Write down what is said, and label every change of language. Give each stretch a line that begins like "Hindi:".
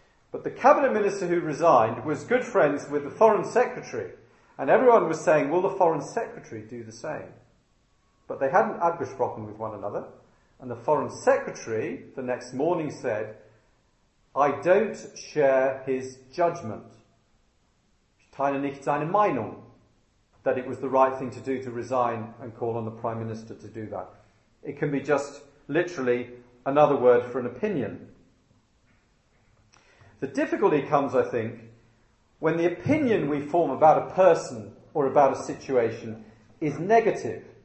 English: But the cabinet minister who resigned was good friends with the foreign secretary. And everyone was saying, will the foreign secretary do the same? But they hadn't abgesprochen with one another. And the foreign secretary the next morning said, I don't share his judgment.
German: Ich teile nicht seine Meinung.
English: That it was the right thing to do to resign and call on the prime minister to do that. It can be just literally another word for an opinion. The difficulty comes, I think, when the opinion we form about a person or about a situation is negative.